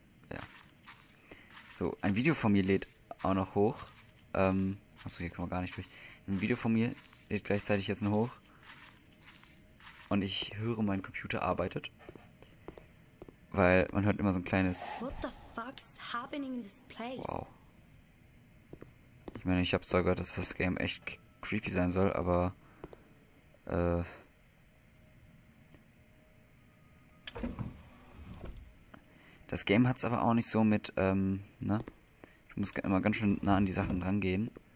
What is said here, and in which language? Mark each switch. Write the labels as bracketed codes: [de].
[de] Ja. So, ein Video von mir lädt auch noch hoch. Achso, hier kommen wir gar nicht durch. Ein Video von mir lädt gleichzeitig jetzt noch hoch. Und ich höre, mein Computer arbeitet. Weil man hört immer so ein kleines. [en] What the fuck is happening in this place? Wow. [de] Ich meine, ich habe zwar gehört, dass das Game echt creepy sein soll, aber das Game hat es aber auch nicht so mit, ne? Ich muss immer ganz schön nah an die Sachen rangehen.